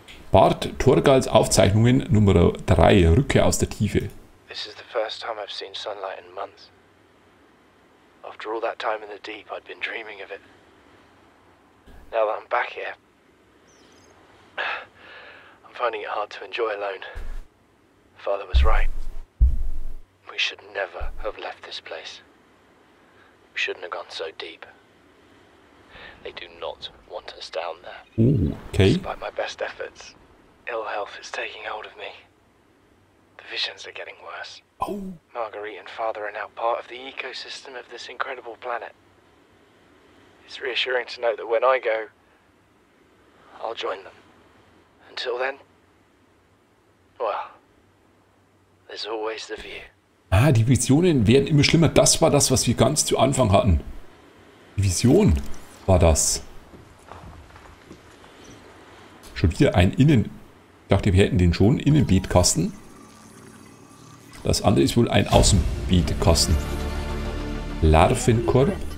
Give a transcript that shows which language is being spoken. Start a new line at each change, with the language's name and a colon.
German: Bart Torgals Aufzeichnungen Nummer 3, Rückkehr aus der Tiefe.
English: This is the first time I've seen sunlight in months. After all that time in the deep, I'd been dreaming of it. Now that I'm back here. I'm finding it hard to enjoy alone. Father was right. We should never have left this place. We shouldn't have gone so deep. They do not want us down there. Ooh, okay. Despite my best efforts, ill health is taking hold of me. The visions are getting worse. Oh. Marguerite and Father are now part of the ecosystem of this incredible planet. It's reassuring to know that when I go, I'll join them. Until then, well, there's always the view.
German: Ah, die Visionen werden immer schlimmer. Das war das, was wir ganz zu Anfang hatten. Die Vision war das. Schon wieder ein Innen... Ich dachte, wir hätten den schon. Innenbeetkasten. Das andere ist wohl ein Außenbeetkasten. Larvenkorb.